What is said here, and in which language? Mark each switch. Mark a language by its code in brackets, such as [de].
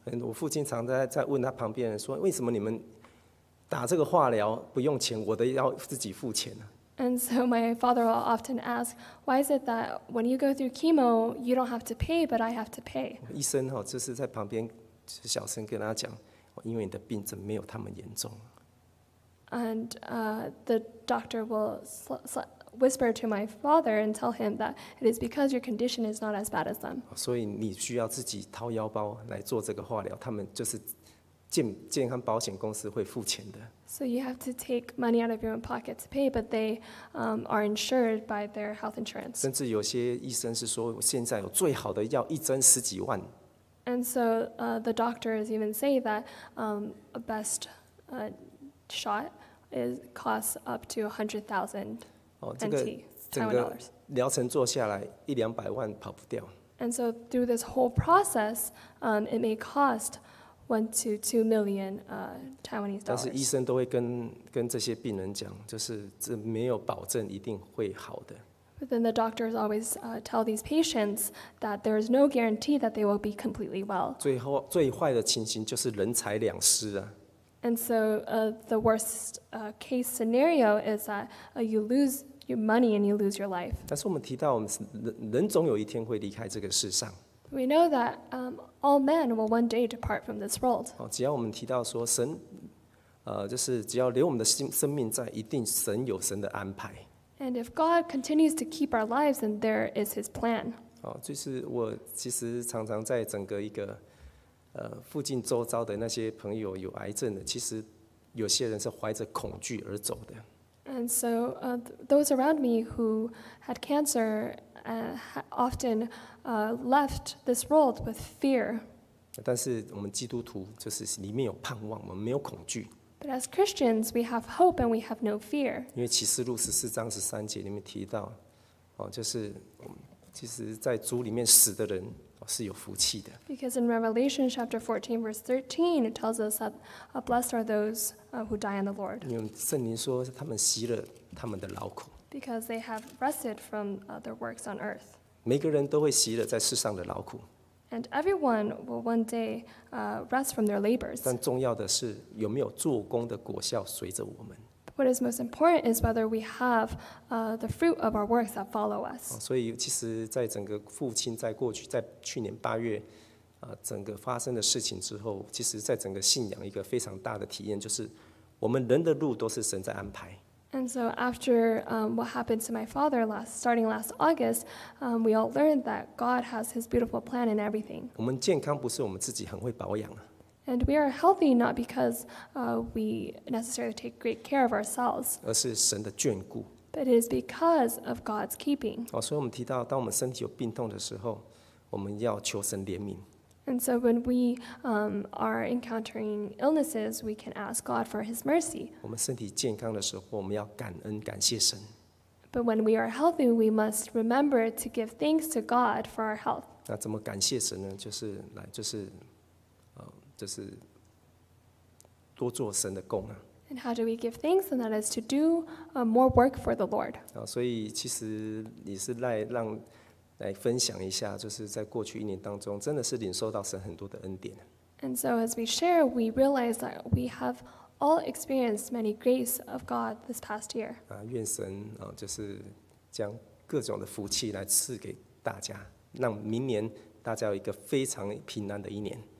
[en] And [zh] 我父亲常在问他旁边人说，为什么你们打这个化疗不用钱，我的要自己付钱啊。 [en] And so my father will often ask, why is it that when you go through chemo, you don't have to pay, but I have to pay? [zh] 医生哦，就是在旁边小声跟他讲，因为你的病症没有他们严重。 [en] And the doctor will whisper to my father and tell him that it is because your condition is not as bad as them. [zh] 所以你需要自己掏腰包来做这个化疗，他们就是健康保险公司会付钱的。 [en] So you have to take money out of your own pocket to pay, but they are insured by their health insurance. [zh] 甚至有些医生是说，现在有最好的药，一针十几万。 [en] And so the doctors even say that a best shot is costs up to 100,000 NT. [zh] 这个整个疗程做下来一两百万跑不掉。 [en] And so through this whole process, it may cost 1 to 2 million Taiwanese dollars. [zh] 但是医生都会跟这些病人讲，就是这没有保证一定会好的。 [en] But then the doctors always tell these patients that there is no guarantee that they will be completely well. [zh] 最坏的情形就是人财两失啊。 [en] And so the worst case scenario is that you lose your money and you lose your life. [zh] 但是我们提到，我们人总有一天会离开这个世上。 [en] We know that all men will one day depart from this world. [zh] 只要我们提到说神，就是只要留我们的生命在，一定神有神的安排。 [en] And if God continues to keep our lives, then there is His plan. [zh] 就是我其实常常在整个一个附近周遭的那些朋友有癌症的，其实有些人是怀着恐惧而走的。 [en] And so those around me who had cancer often left this world with fear. [zh] 但是我们基督徒就是里面有盼望，我们没有恐惧。 [en] But as Christians, we have hope and we have no fear. [zh] 因为启示录十四章十三节里面提到，就是其实在主里面死的人是有福气的。 [en] Because in Revelation chapter 14 verse 13, it tells us that blessed are those who die in the Lord. [zh] 因为圣灵说他们息了他们的劳苦。 [en] Because they have rested from their works on earth. [zh] 每个人都会息了在世上的劳苦。 [en] And everyone will one day rest from their labors. [zh] 但重要的是有没有做工的果效随着我们。 [en] What is most important is whether we have the fruit of our works that follow us. [zh] 所以其实在整个父亲在过去在去年八月整个发生的事情之后，其实在整个信仰一个非常大的体验就是我们人的路都是神在安排。 [en] And so after what happened to my father starting last August, we all learned that God has his beautiful plan in everything. [zh] 我们健康不是我们自己很会保养啊。 [en] And we are healthy not because we necessarily take great care of ourselves. [zh] 而是神的眷顾。 [en] But it is because of God's keeping. [zh] 所以我们提到当我们身体有病痛的时候，我们要求神怜悯。 [en] And so when we are encountering illnesses, we can ask God for His mercy. [zh] 我们身体健康的时候，我们要感恩感谢神。 [en] But when we are healthy, we must remember to give thanks to God for our health. [zh] 那怎么感谢神呢？就是来，就是多做神的工啊。 [en] And how do we give thanks? And that is to do more work for the Lord. [zh] 所以其实你是来让。来分享一下，就是在过去一年当中，真的是领受到神很多的恩典。 [en] And so as we share, we realize that we have all experienced many grace of God this past year. [zh] 愿神就是将各种的福气来赐给大家，让明年大家有一个非常平安的一年。